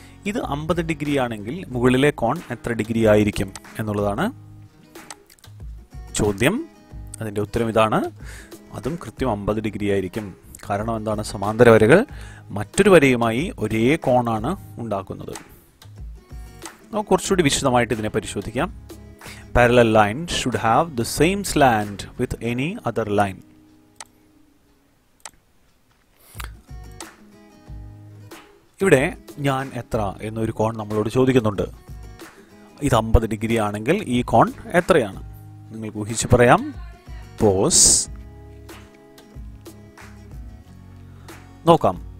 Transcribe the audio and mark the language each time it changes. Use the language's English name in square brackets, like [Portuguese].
[Malayalam] ഇത് 50 ഡിഗ്രി ആണെങ്കിൽ മുകളിലെ കോൺ എത്ര ഡിഗ്രി ആയിരിക്കും എന്നുള്ളതാണ് ചോദ്യം. അതിൻ്റെ ഉത്തരം ഇതാണ്, അതും കൃത്യം 50 ഡിഗ്രി ആയിരിക്കും. കാരണം എന്താണ്? സമാന്തര വരകൾ മറ്റൊരു വരയുമായി ഒരേ കോണാണ് ഉണ്ടാക്കുന്നത്. നമുക്ക് കുറച്ചുകൂടി വിശദമായിട്ട് ഇതിനെ പരിശോധിക്കാം. [English] Parallel line should have the same slant with any other line. [Malayalam] ഇവിടെ ഞാൻ എത്ര എന്നൊരു കോൺ നമ്മളോട് ചോദിക്കുന്നുണ്ട്. ഇത് 50 ഡിഗ്രി ആണെങ്കിൽ ഈ കോൺ എത്രയാണ്? നിങ്ങൾക്ക് ഊഹിച്ച് പറയാം. പോസ് നോക്കാം.